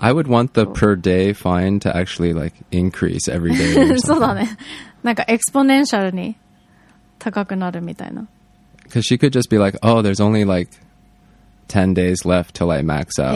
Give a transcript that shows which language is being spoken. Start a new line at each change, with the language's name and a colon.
English: I would want the per day fine to actually like increase every day.
Japanese: そうだね。なんかエクスポネンシャルに高くなるみたいな。
English: Because she could just be like, oh, there's only like 10 days left till I max out.